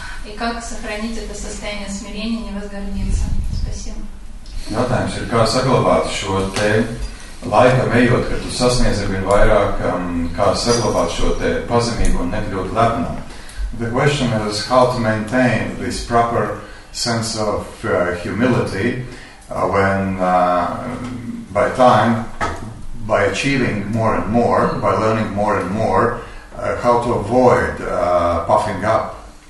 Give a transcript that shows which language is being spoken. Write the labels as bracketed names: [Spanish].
[Russian] И как сохранить это состояние смирения, не возгордиться? Спасибо. [Latvian] Jautājums ir, kā saglabāt šo te laika ejot, kad tu sasniedz arvien vairāk, kā saglabāt šo te pazemību un nekļūt lepnam. [English] The question is how to maintain this proper sense of humility when by time, by achieving more and more, by learning more and more, how to avoid puffing up.